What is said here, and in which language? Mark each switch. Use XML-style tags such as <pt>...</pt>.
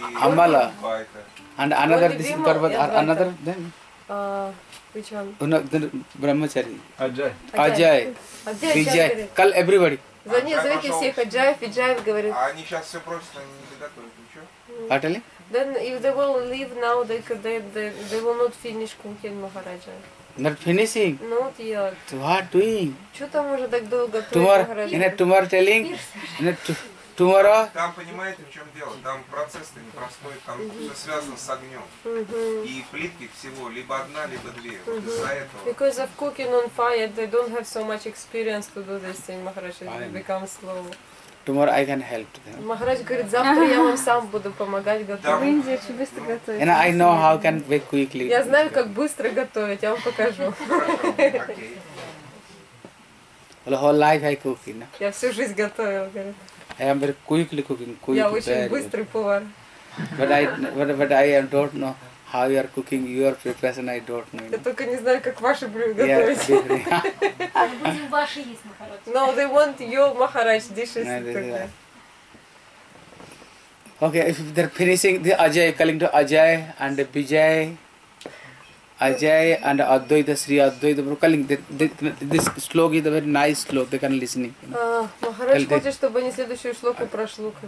<en>Амала. And another, this is Парват. Another name? Which one? Then Brahmachari. Ajay. Ajay. Vijay. Call everybody.</en> <ru>Зовите всех Аджаев, Виджаев, говорит. А они сейчас все просят, они не готовят ничего. Атали?</ru> <en>Then if they will leave now, they will not finish cooking Махараджа. Not finishing? Not yet. What doing?</en> <ru>Что там уже так долго?</ru> <en>Tomorrow telling? Тумара?</en> <ru>Там, понимаете, в чем дело? Там процесс-то непростой, там все связано с огнем. И плитки всего, либо одна, либо две. Вот из-за этого.</ru> <en>Because of cooking on fire, they don't have so much experience to do this thing, Maharaj. It becomes slow. Tomorrow I can help them.</en> <ru>Maharaj говорит, завтра я вам сам буду помогать готовить. В Индии очень быстро готовить.</ru> <en>And I know how can very quickly.</en> <ru>Я знаю, как быстро готовить, я вам покажу.</ru> <en>The whole life I cook, you know?</en> <ru>Я всю жизнь готовил, говорит.</ru> <en>I am very quickly cooking. Quickly,</en> <ru>я очень быстрый повар.</ru> <en>But I don't know how you are cooking your preparation, I don't know.</en> <ru>Я только не знаю, как ваши блюда готовить. Мы будем ваши есть, Махарадж.</ru> <en>No, they want your Maharaj dishes. No, okay, if they're finishing, the Ajay, calling to Ajay and Vijay. Ajay and Advaita, Sri Advaita, calling this slogan is a very nice slogan, they can listen.</en> <ru>Maharaj хочет, чтобы они следующую шлоку прошли.</ru>